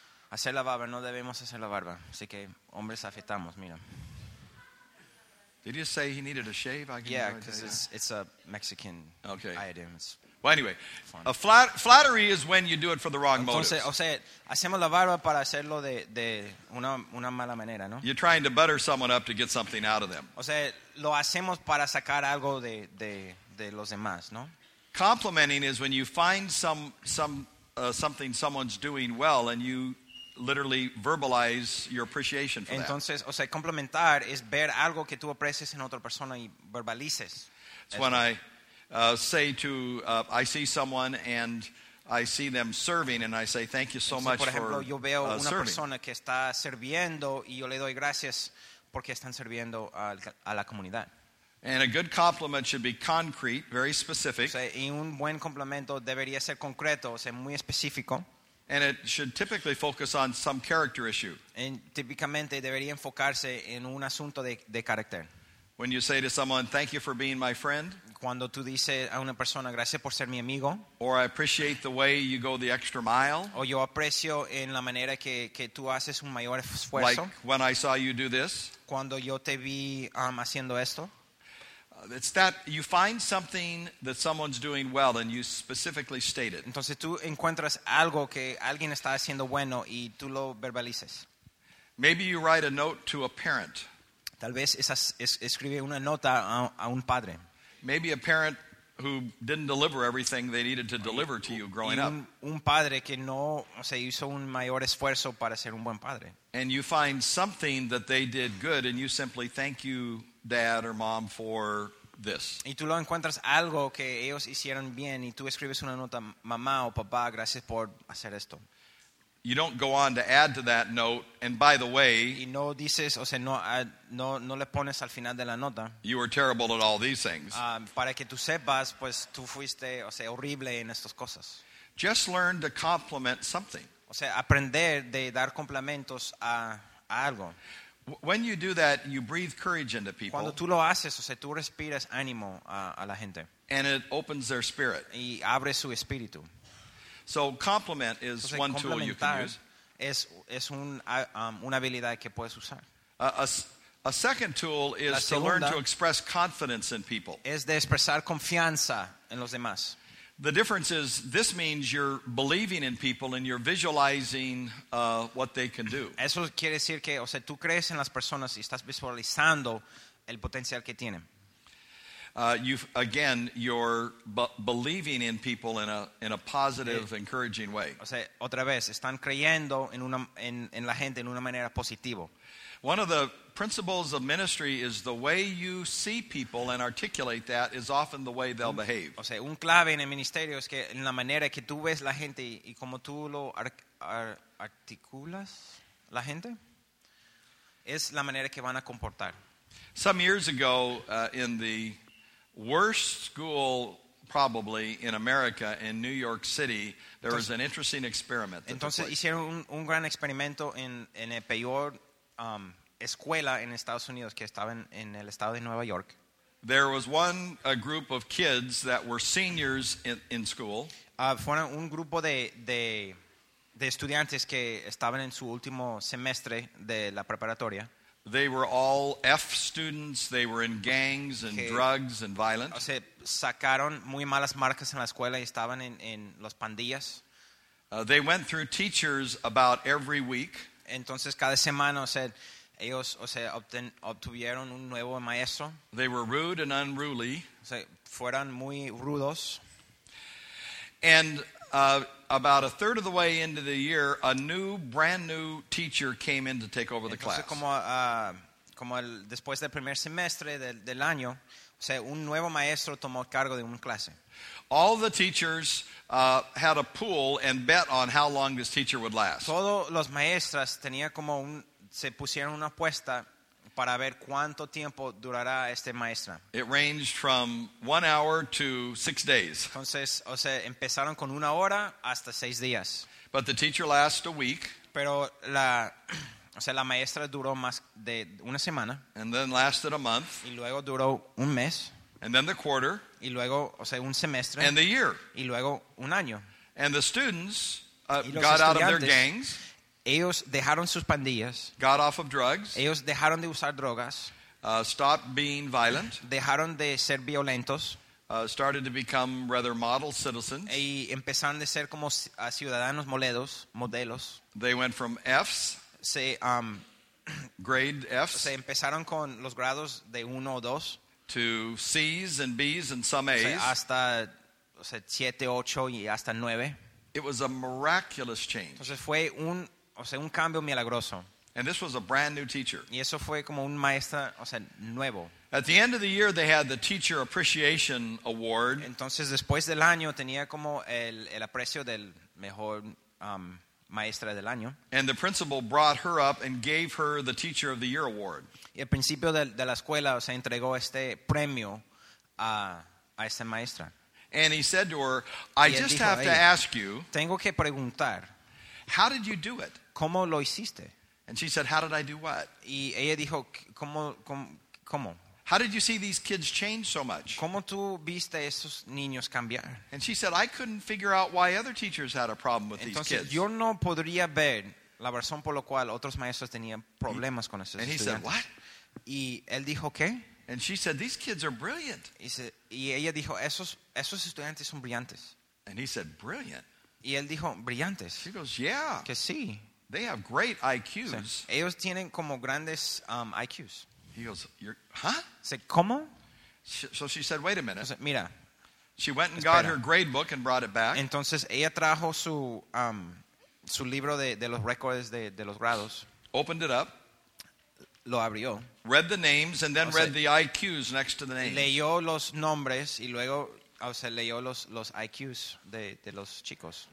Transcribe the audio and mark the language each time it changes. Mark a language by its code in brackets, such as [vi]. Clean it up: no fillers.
[es] Hacer la barba, no debemos hacer la barba. Así que hombres afectamos, mira. [en] Did you say he needed a shave? I yeah, because it's a Mexican item. Well, anyway, flattery is when you do it for the wrong motives. [es] O sea, hacemos la barba para hacerlo de una mala manera, ¿no? [en] You're trying to butter someone up to get something out of them. [es] O sea, lo hacemos para sacar algo de los demás, ¿no? [en] Complimenting is when you find something someone's doing well and you literally verbalize your appreciation for that. [es] Entonces, o sea, complementar es ver algo que tú aprecias en otra persona y verbalices. [en] It's when I say to I see someone and I see them serving and I say thank you so much for serving. [es] Por ejemplo, yo veo una persona que está sirviendo y yo le doy gracias porque están sirviendo a la comunidad. [en] And a good compliment should be concrete, very specific. [es] O sea, y un buen complemento debería ser concreto, o sea, muy específico. [en] And it should typically focus on some character issue. [es] Y típicamente debería enfocarse en un asunto de carácter. [en] When you say to someone, thank you for being my friend. [es] Cuando tú dices a una persona, gracias por ser mi amigo. [en] Or I appreciate the way you go the extra mile. [es] O yo aprecio en la manera que tú haces un mayor esfuerzo. [en] Like when I saw you do this. [es] Cuando yo te vi haciendo esto. [en] It's that you find something that someone's doing well and you specifically state it. [es] Entonces tú encuentras algo que alguien está haciendo bueno y tú lo verbalices. [en] Maybe you write a note to a parent. [es] Tal vez escribe una nota a un padre. [en] Maybe a parent who didn't deliver everything they needed to deliver to you growing up. [es] Un padre que no, o sea, hizo un mayor esfuerzo para ser un buen padre. [en] And you find something that they did good and you simply thank you, dad or mom, for this. [es] Y tú lo encuentras algo que ellos hicieron bien y tú escribes una nota, mamá o papá, gracias por hacer esto. [en] You don't go on to add to that note, and by the way, [es] y no dices, o sea, no le pones al final de la nota, [en] you were terrible at all these things. [es] Para que tú sepas, pues tú fuiste, o sea, horrible en estas cosas. [en] Just learn to compliment something. [es] O sea, aprender de dar complementos a algo. [en] When you do that, you breathe courage into people. [es] Cuando tú lo haces, o sea, tú respiras ánimo a la gente. [en] And it opens their spirit. [es] Y abre su espíritu. [en] So compliment is one tool you can use. [es] Es una habilidad que puedes usar. [en] A second tool is to learn to express confidence in people. [es] Es de expresar confianza en los demás. [en] The difference is this means you're believing in people and you're visualizing what they can do. [es] Eso quiere decir que, o sea, tú crees en las personas y estás visualizando el potencial que tienen. [en] You're believing in people in a positive, encouraging way. [es] O sea, otra vez, están creyendo en la gente en una manera positiva. [en] One of the principles of ministry is the way you see people and articulate that is often the way they'll behave. [es] O sea, un clave en el ministerio es que en la manera que tú ves la gente y cómo tú lo articulas la gente es la manera que van a comportar. [en] Some years ago, in the worst school probably in America, in New York City, there was an interesting experiment. [es] Entonces hicieron un gran experimento en el peor escuela en Estados Unidos, que estaba en el estado de Nueva York. [en] There was a group of kids that were seniors in school. [es] Fueron un grupo de estudiantes que estaban en su último semestre de la preparatoria. [en] They were all F students. They were in gangs and drugs and violence. [es] O sea, sacaron muy malas marcas en la escuela y estaban en los pandillas. [en] They went through teachers about every week. [es] Entonces cada semana, o sea, Ellos, o sea, obtuvieron un nuevo maestro. [en] They were rude and unruly. [es] O sea, fueron muy rudos. [en] And about a third of the way into the year, a new, brand new teacher came in to take over the class. [es] Entonces, como después del primer semestre del año, o sea, un nuevo maestro tomó cargo de una clase. [en] All the teachers had a pool and bet on how long this teacher would last. [es] Todos los maestros tenían como un se pusieron una apuesta para ver cuánto tiempo durará este maestro. [en] It ranged from 1 hour to 6 days. [es] Entonces, o sea, empezaron con una hora hasta 6 días. [en] But the teacher lasted a week. [es] Pero la maestra duró más de una semana. [en] And then lasted a month. [es] Y luego duró un mes. [en] And then the quarter. [es] Y luego, o sea, un semestre. [en] And the year. [es] Y luego un año. [en] And the students got out of their gangs. [es] Ellos dejaron sus pandillas. [en] Got off of drugs. [es] Ellos dejaron de usar drogas. [en] Stopped being violent. [es] Dejaron de ser violentos. [en] Started to become rather model citizens. [es] Y empezaron de ser como ciudadanos modelos. [en] They went from Fs. Grade Fs. [es] Se empezaron con los grados de uno o dos. [en] To C's and B's and some A's. [es] Hasta, o sea, siete, ocho y hasta nueve. [en] It was a miraculous change. [es] Entonces fue un cambio milagroso. [en] And this was a brand new teacher. [es] Y eso fue como un maestro, o sea, nuevo. [en] At the end of the year, they had the Teacher Appreciation Award. [es] Entonces después del año tenía como el aprecio del mejor maestra del año. [en] And the principal brought her up and gave her the Teacher of the Year Award. [es] Y al principio de la escuela, o sea, entregó este premio a esta maestra. [en] And he said to her, I just have to ask you, [es] tengo que preguntar, [en] how did you do it? [es] ¿Cómo lo hiciste? [en] And she said, how did I do what? [es] Y ella dijo, ¿cómo? [en] How did you see these kids change so much? [es] ¿Cómo tú viste esos niños cambiar? [en] And she said, I couldn't figure out why other teachers had a problem with [es] entonces, [en] these kids. [es] Yo no podría ver la razón por la cual otros maestros tenían problemas con esos [en] And he said, what? [es] Y él dijo, ¿qué? [en] And she said, these kids are brilliant. [es] Y ella dijo, esos estudiantes son brillantes. [en] And he said, brilliant. [es] Y él dijo, brillantes. [en] She goes, yeah. [es] Que sí. [en] They have great IQs. [es] O sea, ellos tienen como grandes IQs. [en] He goes, you're, huh? [es] Se, ¿cómo? [en] So she said, wait a minute. [es] O sea, mira. [en] She went and got her grade book and brought it back. [es] Entonces ella trajo su su libro de los récords de los grados. [en] Opened it up. [es] Lo abrió. [en] Read the names and then read the IQs next to the names. [es] Leyó los nombres y luego, o sea, leyó los IQs de los chicos.